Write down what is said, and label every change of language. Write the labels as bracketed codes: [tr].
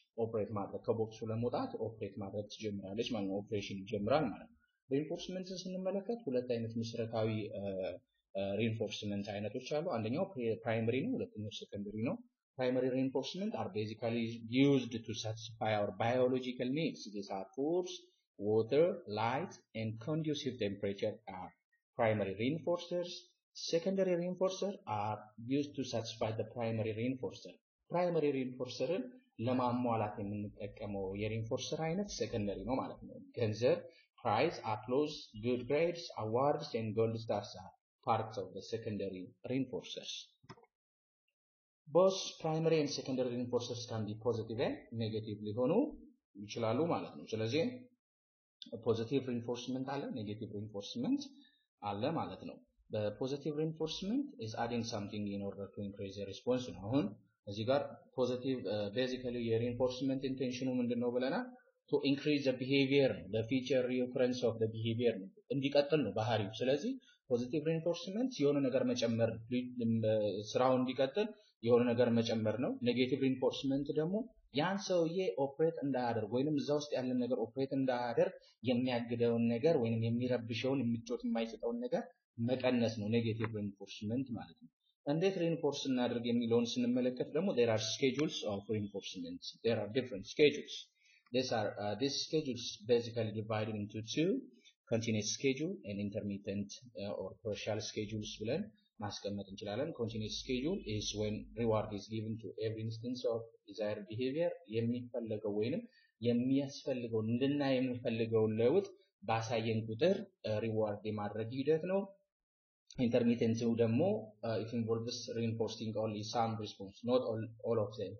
[am] ኦፕሬት ማድረግ ከቦክሱ ለመውጣት ኦፕሬት ማድረግ ትጀምራለች ማለት ነው። ኦፕሬሽን ይጀምራል ማለት ነው። ሪንፎርስመንት ስንመለከት ሁለት አይነት መሰረታዊ ሪንፎርስመንት አይነቶች አሉ። አንደኛው ፕራይመሪ ነው፣ ሁለተኛው ሴኮንደሪ ነው። [en] Primary reinforcement are basically used to satisfy our biological needs. These are foods, water, light, and conducive temperature are primary reinforcers. Secondary reinforcers are used to satisfy the primary reinforcer. Primary reinforcer [am] ለማሟላት የምንጠቀመው የሪንፎርሰር አይነት ሴኮንደሪ ነው ማለት ነው። [en] ገንዘብ, prize, applause, good grades, awards, and gold stars are parts of the secondary reinforcers. Both primary and secondary reinforcers can be positive and negative [am] ሊሆኑ ይችላሉ ማለት ነው። ስለዚህ [en] positive reinforcement [am] አለ, negative reinforcement አለ ማለት ነው። [en] The positive reinforcement is adding something in order to increase the response. [am] አሁን እዚህ ጋር positive basically your reinforcement intention ምንድነው ብለና [en] to increase the behavior, the future reoccurrence of the behavior [am] እንዲቀጥል ነው ባህሪው። ስለዚህ positive reinforcement የሆነ ነገር መጨመር ስራው እንዲቀጥል የሆነ ነገር መጨመር ነው። ኔጌቲቭ ሪንፎርስመንት ደግሞ ያን ሰውዬ ኦፕሬት እንዳያደርግ ወይንም እዛ ውስጥ ያለ ነገር ኦፕሬት እንዳያደርግ የሚያግደውን ነገር ወይንም የሚረብሸውን የሚጮት የማይሰጠውን ነገር መቀነስ ነው ኔጌቲቭ ሪንፎርስመንት ማለት ነው። እንዴት ሪንፎርስ እናደርግ የሚለውን ስንመለከት ደግሞ [en] there are schedules of reinforcements. There are different schedules. These schedules basically divided into two: continuous schedule and intermittent or partial schedules [am] ብለን ማስቀመጥ እንችላለን። [en] continuous schedule is when reward is given to every instance of desired behavior [am] የሚፈልገው ወይንም የሚያስፈልገው እንድና የሚፈልገው ለውጥ ባሳየን ቁጥር reward የማድረግ ሂደት ነው። [en] intermittent ደግሞ it involves reinforcing only some response, not all of them.